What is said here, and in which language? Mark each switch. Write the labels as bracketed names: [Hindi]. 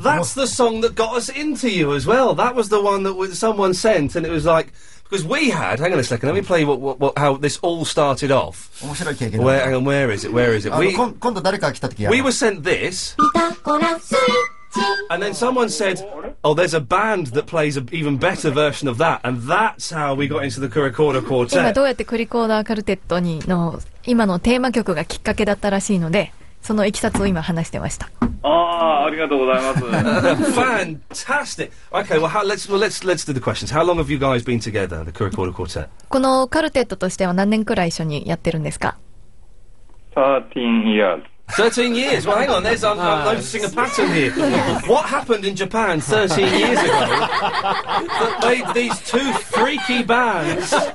[English] That's the song that got us into you as well. That was the one that someone sent, and it was like, because we had, hang on a second, let me play what how this all started off. Where is it? We were sent this, and then someone said, oh, there's a band that plays an even better version of that, and that's how we got into the Kurikoda Quartet. [Japanese] 今どうやってクリコーダーカルテットにの今のテーマ曲がきっかけだったらしいので。そのいきさつを今話してました。ああ、ありがとうございます。 [English] Fantastic! Okay, well, let's do the questions. How long have you guys been together, the Kurikoda Quartet? [Japanese] このカルテットとしては何年くらい一緒にやってるんですか？ [English] 13 years. 13 years? Well, hang on, there's I'm noticing a pattern here. What happened in Japan 13 years ago that made these two freaky bands...